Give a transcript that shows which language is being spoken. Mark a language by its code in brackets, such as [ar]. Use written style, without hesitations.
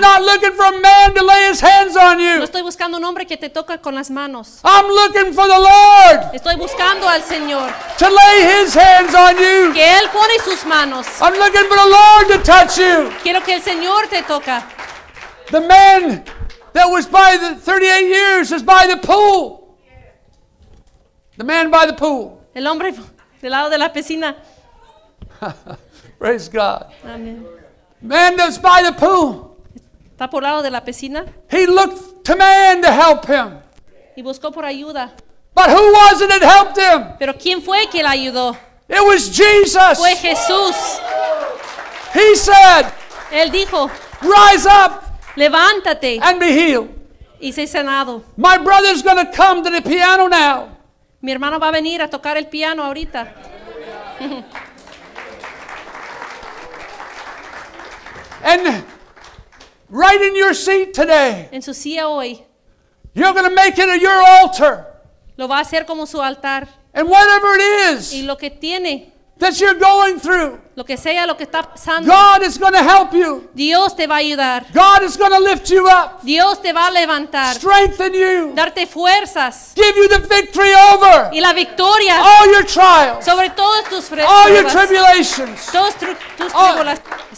[en] Not looking for a man to lay his hands on you. [es] No estoy buscando un hombre que te toque con las manos. [en] I'm looking for the Lord. [es] Estoy buscando al Señor. [en] To lay his hands on you. [es] Que él pone sus manos. [en] I'm looking for the Lord to touch you. [es] Quiero que el Señor te toque. [en] The man that was by the 38 years is by the pool. The man by the pool. [es] El hombre del lado de la piscina. [en] Praise God. Amen. Man that's by the pool. [es] Está por lado de la piscina. [en] He looked to man to help him. [es] Y buscó por ayuda. [en] But who was it that helped him? [es] Pero quién fue que le ayudó? [en] It was Jesus. [es] Fue Jesús. [en] He said. [es] Él dijo. [en] Rise up. [es] Levántate. [en] And be healed. [es] Y sé sanado. [en] My brother's going to come to the piano now. [es] Mi hermano va a venir a tocar el piano ahorita. [en] And right in your seat today. [es] En su silla hoy. [en] You're going to make it your altar. [es] Lo va a hacer como su altar. [en] And whatever it is. [es] Y lo que tiene. [en] That you're going through. [es] Lo que sea, lo que está pasando. [en] God is going to help you. [es] Dios te va a ayudar. [en] God is going to lift you up. [es] Dios te va a levantar. [en] Strengthen you. [es] Darte fuerzas. [en] Give you the victory over. [es] Y la victoria. [en] All your trials. [es] Sobre todas tus pruebas. [en] All your tribulations. [es] Todas tus tribulaciones.